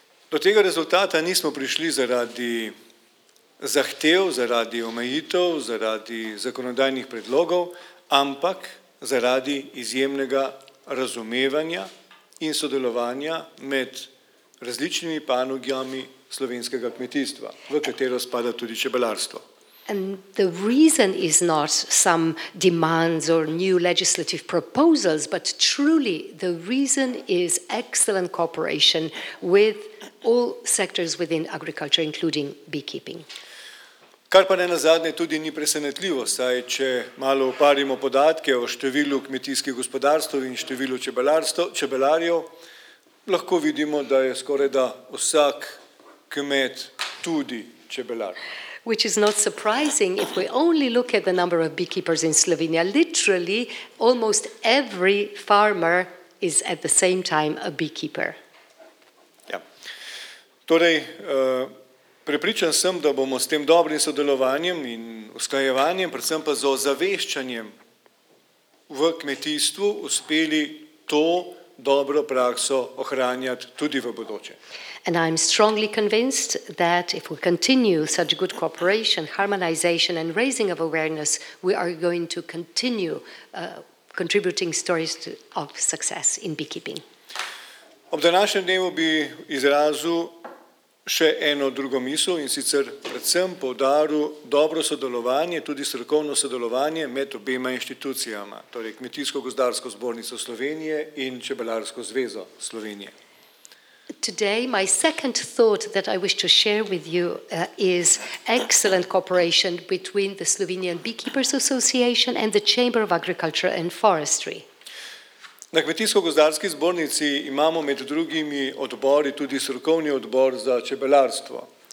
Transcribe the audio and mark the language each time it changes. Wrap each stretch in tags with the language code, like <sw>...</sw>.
<sl>Do tega rezultata nismo prišli zaradi zahtev, zaradi omejitev, zaradi zakonodajnih predlogov, ampak zaradi izjemnega razumevanja in sodelovanja med različnimi panogami slovenskega kmetijstva, v katero spada tudi čebelarstvo.</sl> <en>And the reason is not some demands or new legislative proposals, but truly the reason is excellent cooperation with all sectors within agriculture, including beekeeping.</en> <sl>Kar pa ne nazadnje tudi ni presenetljivo, saj če malo uparimo podatke o številu kmetijskih gospodarstv in številu čebelarjev, lahko vidimo, da je skoraj da vsak kmet tudi čebelar.</sl> <en>Which is not surprising if we only look at the number of beekeepers in Slovenia. Literally, almost every farmer is at the same time a beekeeper.</en> <sl>Ja. Torej, prepričan sem, da bomo s tem dobrim sodelovanjem in usklajevanjem, predvsem pa z ozaveščanjem v kmetijstvu uspeli to dobro prakso ohranjati tudi v bodoče.</sl> <en>And I'm strongly convinced that if we continue such good cooperation, harmonization and raising of awareness, we are going to continue contributing stories of success in beekeeping.</en> <sl>Ob današnjem dnevu bi izrazil še eno drugo misel in sicer predvsem poudaril dobro sodelovanje, tudi strokovno sodelovanje med obema inštitucijama, torej Kmetijsko-gozdarsko zbornico Slovenije in Čebelarsko zvezo Slovenije.</sl> <en>Today my second thought that I wish to share with you is excellent cooperation between the Slovenian Beekeepers Association and the Chamber of Agriculture and Forestry.</en> <sl>Na Kmetijsko-gozdarski zbornici imamo med drugimi odbori tudi strokovni odbor za čebelarstvo.</sl>